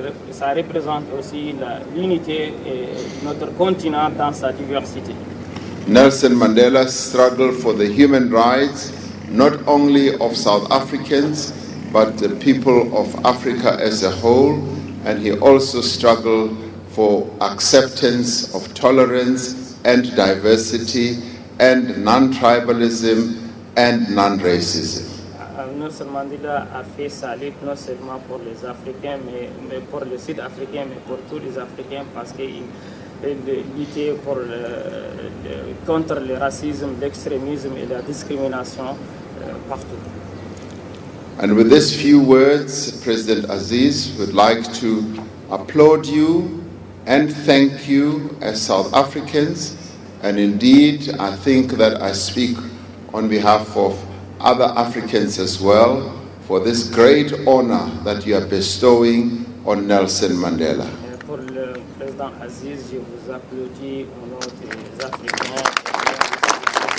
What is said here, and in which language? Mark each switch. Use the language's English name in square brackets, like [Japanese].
[French] Ça représente aussi l'unité et notre continent dans sa diversité. [English] Nelson Mandela struggled for the human rights, not only of South Africans, but the people of Africa as a whole. And he also struggled for acceptance of tolerance and diversity and non-tribalism and non-racism. [French] Nelson Mandela a fait sa lutte non seulement pour les Africains, mais pour le Sud-Africain, mais pour tous les Africains, parce qu'il luttait pour contre le racisme, l'extrémisme et la discrimination partout. [English] And with these few words, President Aziz would like to applaud you and thank you as South Africans. And indeed, I think that I speak on behalf of other Africans as well for this great honor that you are bestowing on Nelson Mandela. [French] Pour le président Aziz, je vous applaudis au nom des Africains.